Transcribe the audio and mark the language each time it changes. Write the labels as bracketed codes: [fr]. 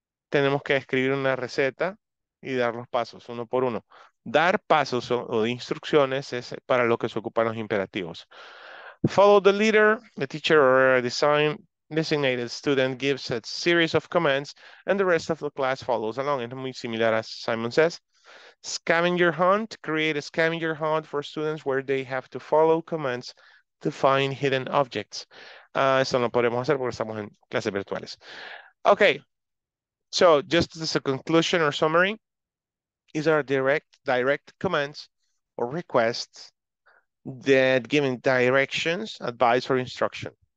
[es] Tenemos que escribir una receta y dar los pasos uno por uno. Dar pasos o instrucciones es para lo que se ocupan los imperativos. [en] Follow the leader, the teacher or a designated student gives a series of commands and the rest of the class follows along. [es] Es muy similar a [en] Simon Says. Scavenger hunt, create a scavenger hunt for students where they have to follow commands to find hidden objects. [es] Eso no podemos hacer porque estamos en clases virtuales. [en] Okay, so just as a conclusion or summary, these are direct commands or requests that giving directions, advice, or instruction.